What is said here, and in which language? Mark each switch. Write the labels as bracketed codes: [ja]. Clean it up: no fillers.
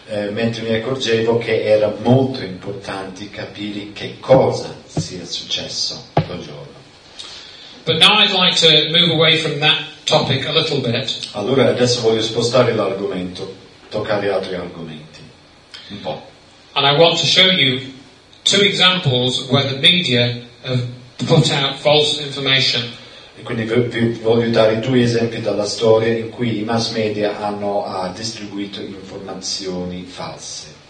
[it] mentre mi accorgevo che era molto importante capire che cosa sia successo quel giorno. [en] But now I'd like to move away from that topic a little bit. [it] Allora adesso voglio spostare l'argomento, toccare altri argomenti un po'. [en] And I want to show you two examples where the media have put out false information. [it] E quindi vi voglio dare due esempi dalla storia in cui i mass media hanno distribuito informazioni false.